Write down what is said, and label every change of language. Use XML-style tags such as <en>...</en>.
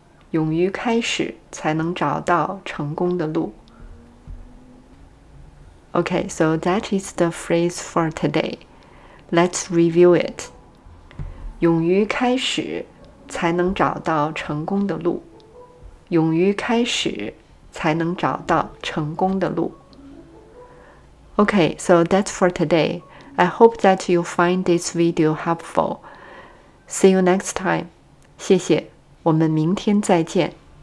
<zh>勇于开始，才能找到成功的路。</zh> <en>Okay, so that is the phrase for today. Let's review it.</en> <zh>勇于开始，才能找到成功的路。勇于开始，才能找到成功的路。</zh> <en>Okay, so that's for today. I hope that you find this video helpful.See you next time.</en> <zh>谢谢，我们明天再见。</zh>